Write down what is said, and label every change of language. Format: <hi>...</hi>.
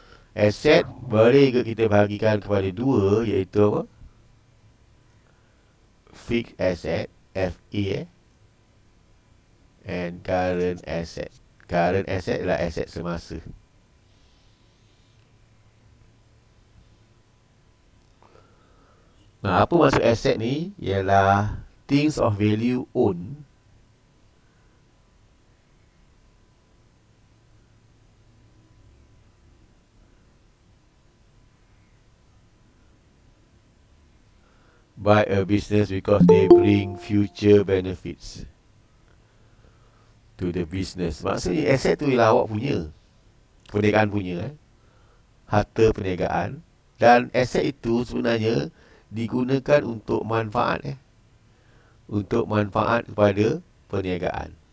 <ms>Aset boleh juga kita bahagikan kepada dua, iaitu apa?</ms> <en>Fixed asset, FE, and current asset.</en> <ms>Current asset ialah aset semasa. Nah, apa maksud aset ni? Ialah</ms> <en>things of value owned. Buy a business because they bring future benefits to the business.</en> <ms>Maksudnya aset tu ialah awak punya. Perniagaan punya. Harta perniagaan. Dan aset itu sebenarnya digunakan untuk manfaat. Untuk manfaat kepada perniagaan.</ms>